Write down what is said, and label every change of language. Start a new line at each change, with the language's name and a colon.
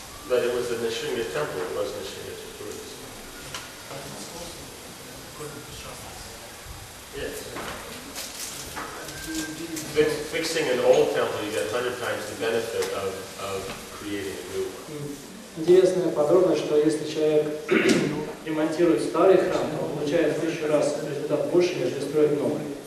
Russian: назначение темпы, назначение трудности.
English: Yes. Fixing an old temple, you get 100 times the benefit of creating a new one.
Russian: Интересная подробность, что если человек ремонтирует старый храм, то он получает в 1000 раз результат больше, нежели строить новый.